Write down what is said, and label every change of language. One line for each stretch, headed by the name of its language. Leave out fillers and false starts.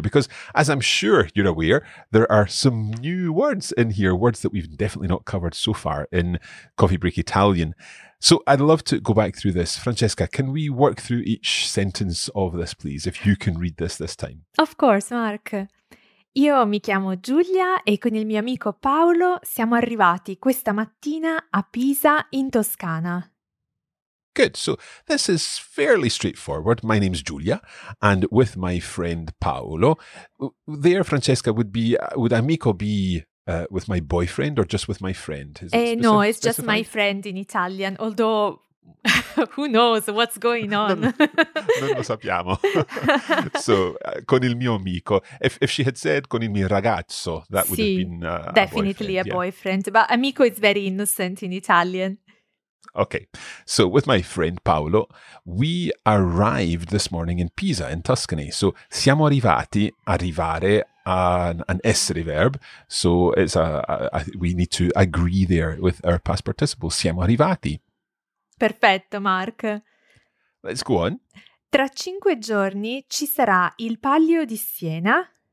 English: Because as I'm sure you're aware, there are some new words in here, words that we've definitely not covered so far in Coffee Break Italian. So I'd love to go back through this. Francesca, can we work through each sentence of this, please, if you can read this time? Of course, Mark.
Italian: Io mi chiamo Giulia e con il mio amico Paolo siamo arrivati questa mattina a Pisa in Toscana.
English: Good. So this is fairly straightforward. My name's Giulia and with my friend Paolo. There, Francesca, would amico be with my boyfriend or just with my friend? Is it no, it's specified? Just my friend in Italian, although who knows what's going on?
Italian: non lo sappiamo. So, con il mio amico.
English: If she had said
Italian: con il mio ragazzo,
English: that would have been definitely a boyfriend. But amico is very innocent in Italian. Okay. So, with my friend Paolo, we arrived this morning in Pisa, in Tuscany. So,
Italian: siamo arrivati, arrivare,
English: an essere verb. So, it's we need to agree there with our past participle.
Italian: Siamo arrivati. Perfetto, Mark.
English: Let's go on.
Italian: Tra 5 giorni ci sarà il Palio di Siena.